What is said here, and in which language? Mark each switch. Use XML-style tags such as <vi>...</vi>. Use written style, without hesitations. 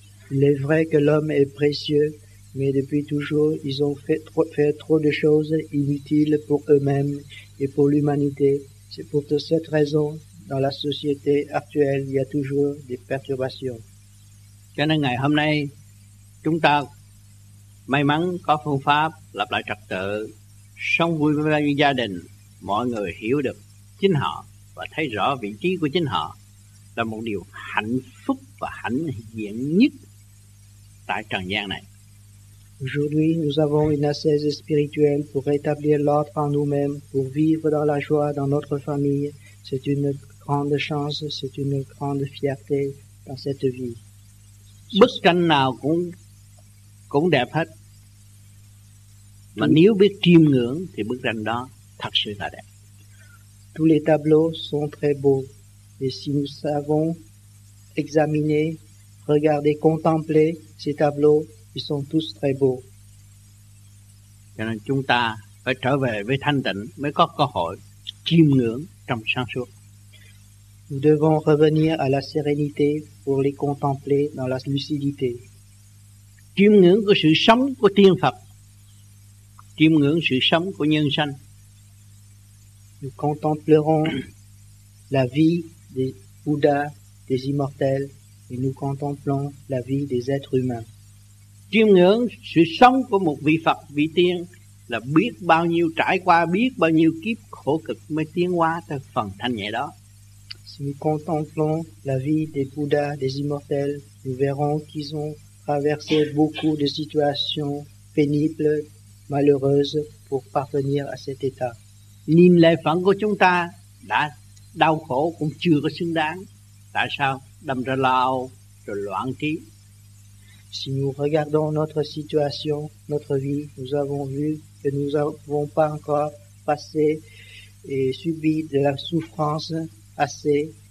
<fr>Il est vrai que l'homme est précieux. Mais depuis toujours, ils ont fait trop de choses inutiles pour eux-mêmes et pour l'humanité. C'est pour cette raison, dans la société actuelle, il y a toujours des perturbations.</fr> <vi>Cho nên ngày hôm nay chúng ta may mắn có phương pháp lập lại trật tự, sống vui với gia đình, mọi người hiểu được chính họ và thấy rõ vị trí của chính họ là một điều hạnh phúc và hạnh diện nhất tại trần gian này.</vi> <fr>Aujourd'hui, nous avons une assise spirituelle pour rétablir l'ordre en nous-mêmes, pour vivre dans la joie dans notre famille. C'est une grande chance, c'est une grande fierté dans cette vie.</fr> <vi>Bức tranh nào cũng đẹp hết. Mà nếu biết chiêm ngưỡng thì bức tranh đó thật sự là đẹp.</vi> <fr>Tous les tableaux sont très beaux. Et si nous savons examiner, regarder, contempler ces tableaux, ils sont tous très beaux.</fr> <vi>Cho nên chúng ta phải trở về với thanh tịnh mới có cơ hội chiêm ngưỡng trong sáng suốt.</vi> <fr>Nous devons revenir à la sérénité pour les contempler dans la lucidité.</fr> <vi>Chiêm ngưỡng của sự sống của tiên Phật, chiêm ngưỡng sự sống của nhân sanh.</vi> <fr>Nous contemplerons la vie des Bouddhas, des immortels, et nous contemplons la vie des êtres humains.</fr> <vi>Chiêm ngưỡng sự sống của một vị Phật, vị tiên là biết bao nhiêu trải qua, biết bao nhiêu kiếp khổ cực mới tiến qua tới phần thanh nhẹ đó.</vi> <fr>Si nous contemplons la vie des Bouddhas, des immortels, nous verrons qu'ils ont traversé beaucoup de situations pénibles, malheureuses pour parvenir à cet état.</fr> <vi>Nhìn lại phần của chúng ta đã đau khổ cũng chưa có xứng đáng. Tại sao đâm ra lao rồi loạn trí?</vi> <fr>Si nous regardons notre situation, notre vie, nous avons vu que nous n'avons pas encore passé et subi de la souffrance assez.</fr>